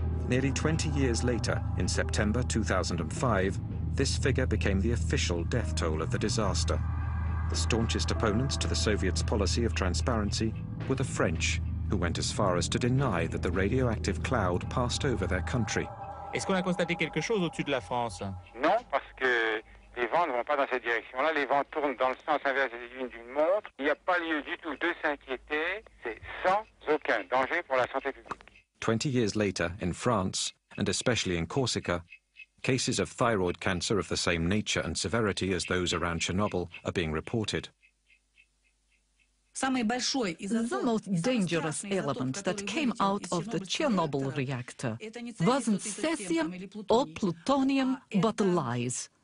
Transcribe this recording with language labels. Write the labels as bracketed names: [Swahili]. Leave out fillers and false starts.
[English] Nearly 20 years later, in September 2005, this figure became the official death toll of the disaster. The staunchest opponents to the Soviets' policy of transparency were the French, who went as far as to deny that the radioactive cloud passed over their country. [French] Est-ce qu'on a constaté quelque chose au-dessus de la France? Non, parce que les vents ne vont pas dans cette direction-là. Les vents tournent dans le sens inverse des aiguilles d'une montre. Il n'y a pas lieu du tout de s'inquiéter. C'est sans aucun danger pour la santé publique. [English] 20 years later, in France, and especially in Corsica, cases of thyroid cancer of the same nature and severity as those around Chernobyl are being reported. The most dangerous element that came out of the Chernobyl reactor wasn't cesium or plutonium, but lies.